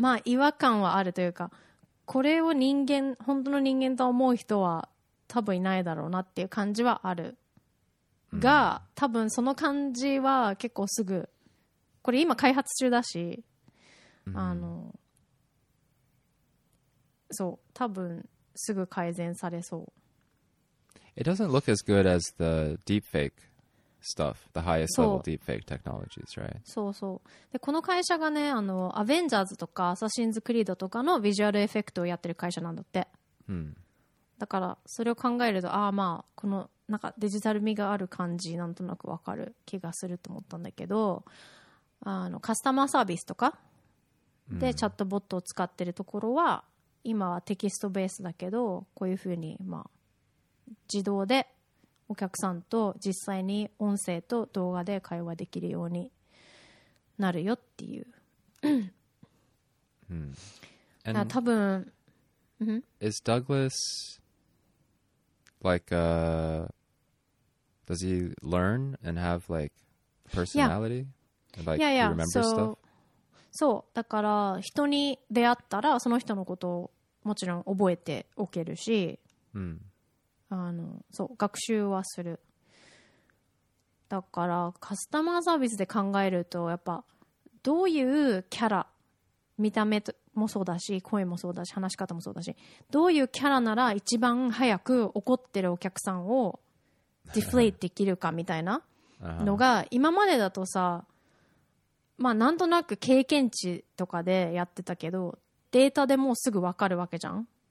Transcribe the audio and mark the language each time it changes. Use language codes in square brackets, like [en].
[ja] まあ違和感はあるというか、これを人間、本当の人間と思う人は多分いないだろうなっていう感じはあるが、多分その感じは結構すぐ、これ今開発中だし、あの、そう、多分すぐ改善されそう。 [en] It doesn't look as good as the deepfake stuff, the highest level deepfake technologies, right? [ja] そうそう。で、この会社がね、あの、アベンジャーズとかアサシンズクリードとかのビジュアルエフェクトをやってる会社なんだって。 Hmm. だから、それを考えると、ああ、まあ、この、なんかデジタル味がある感じ、なんとなくわかる気がすると思ったんだけど、あの、カスタマーサービスとかで、hmm. チャットボットを使ってるところは、今はテキストベースだけど、こういうふうに、まあ、自動で、お客さんと実際に音声と動画で会話できるようになるよっていう。うん。あ、多分。 [en] Is Douglas like does he learn and have like personality? Yeah. Like, yeah, yeah. Remember stuff? [ja] そう、だから人に出会ったらその人のことをもちろん覚えておけるし。うん。そう学習はする。だからカスタマーサービスで考えるとやっぱどういうキャラ、見た目もそうだし声もそうだし話し方もそうだし、どういうキャラなら一番早く怒ってるお客さんをディフレイできるかみたいなのが、今までだとさ、まあなんとなく経験値とかでやってたけど、データでもうすぐ分かるわけじゃん。